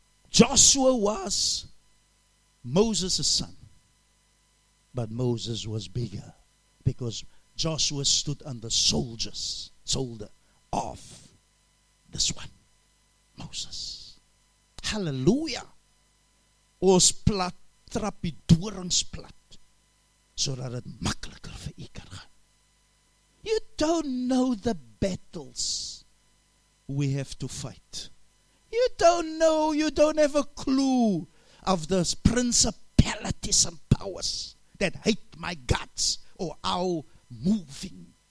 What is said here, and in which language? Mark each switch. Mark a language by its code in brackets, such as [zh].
[en] Joshua was Moses' son. But Moses was bigger. Because Joshua stood on the shoulder of this one, Moses. Hallelujah. [af] Ons plat, trap die dorings plat, sodat het makkeliker vir u kan gaan. [en] You don't know the battles we have to fight. You don't have a clue of the principalities and powers that hate my guts or our moving.